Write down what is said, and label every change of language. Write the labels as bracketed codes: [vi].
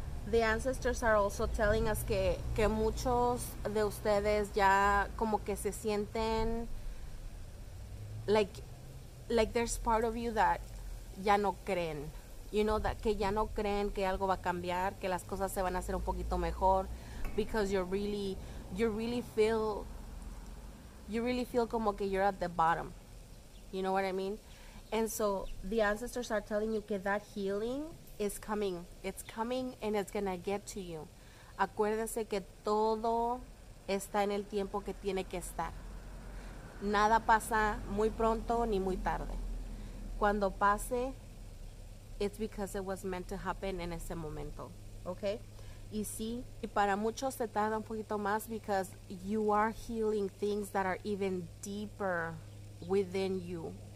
[en] The ancestors are also telling us [es] que muchos de ustedes ya como que se sienten [en] like there's part of you that [es] ya no creen, [en] you know, that [es] que ya no creen que algo va a cambiar, que las cosas se van a hacer un poquito mejor, [en] because you really feel [es] como que [en] you're at the bottom, you know what I mean? And so the ancestors are telling you that healing is coming. It's coming and it's going to get to you. [es] Acuérdense que todo está en el tiempo que tiene que estar. Nada pasa muy pronto ni muy tarde. Cuando pase, [en] it's because it was meant to happen [es] en ese momento. [en] Okay? [es] Y sí, y para muchos se tarda un poquito más, [en] because you are healing things that are even deeper within you.